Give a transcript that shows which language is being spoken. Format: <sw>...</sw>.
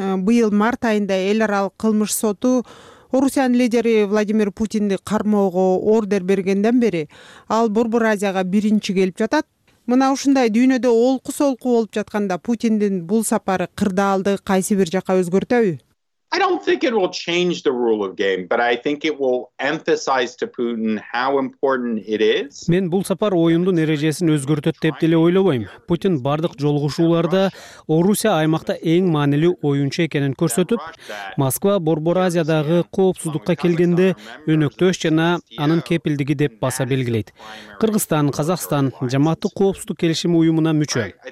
<ky>Быйыл март айында эл аралык кылмыш соту Орусиянын лидери Владимир Путинди кармоого ордер бергенден бери ал Борбор Азияга биринчи келип жатат. Мына ушундай дүйнөдө олку-солку болуп жатканда Путиндин бул сапары кырдаалды кайсы бир жака өзгөртөбү?</ky> <en>I don't think it will change the rule of game, but I think it will emphasize to Putin how important it is.</en> <ky>Мен бул сапар оюндун эрежесин өзгөртөт деп деле ойлобойм. Путин бардык жолугушууларда Орусия аймакта эң маанилүү оюнчу экенин көрсөтүп, Москва Борбор Азиядагы коопсуздукка келгенде өнөктөш жана анын кепилдиги деп баса белгилейт. Кыргызстан, Казакстан жамааттык коопсуздук келишими уюмуна мүчө.</ky>